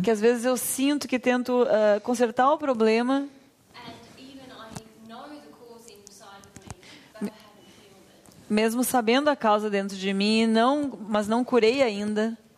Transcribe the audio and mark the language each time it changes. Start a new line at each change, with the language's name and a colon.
Portuguese: Que às vezes eu sinto que tento consertar o problema.
English: And even I know the cause inside of me, but I haven't healed it.
Portuguese: mesmo sabendo a causa dentro de mim, mas não curei ainda.